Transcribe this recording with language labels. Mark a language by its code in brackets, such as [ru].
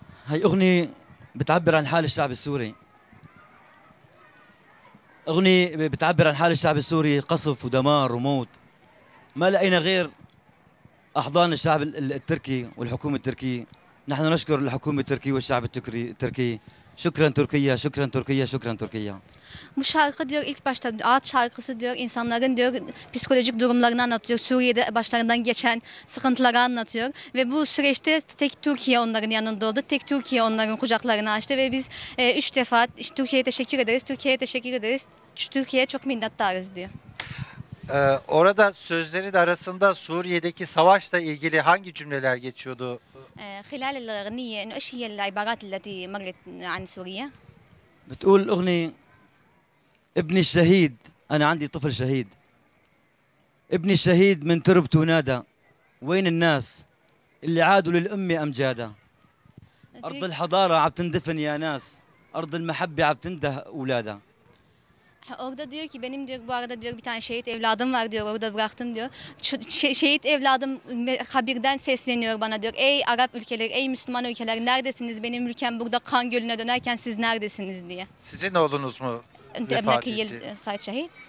[ar] هاي اغنية بتعبر عن حال الشعب السوري. اغنية بتعبر عن حال الشعب السوري، قصف ودمار وموت. ما لقينا غير احضان الشعب التركي والحكومة التركية. نحن نشكر الحكومة التركية والشعب التركي. [tr] Şükran Türkiye, şükran Türkiye, şükran Türkiye. Bu şarkı diyor ilk başta ağaç şarkısı diyor, insanların diyor psikolojik durumlarını anlatıyor. Suriye'de başlarından geçen sıkıntıları anlatıyor. Ve bu süreçte tek Türkiye onların yanında oldu. Tek Türkiye onların kucaklarını açtı. Ve biz üç defa işte, Türkiye'ye teşekkür ederiz, Türkiye'ye teşekkür ederiz, Türkiye'ye çok minnettarız diyor. Orada sözlerin arasında Suriye'deki savaşla ilgili hangi cümleler geçiyordu? [ar] خلال الأغنية إنه إيش هي العبارات التي مرت عن سوريا؟ بتقول الأغنية ابني الشهيد، أنا عندي طفل شهيد، ابني الشهيد من تربته نادى، وين الناس اللي عادوا للأمة أمجادا؟ أرض الحضارة عم تندفن يا ناس، أرض المحبة عم تنده أولادا. [tr] Orada diyor ki benim diyor bu arada diyor bir tane şehit evladım var diyor orada bıraktım diyor. Şehit evladım kabirden sesleniyor bana diyor. Ey Arap ülkeleri, ey Müslüman ülkeler neredesiniz? Benim ülkem burada kan gölüne dönerken siz neredesiniz diye. Sizin oğlunuz mu vefat etti? Şehit.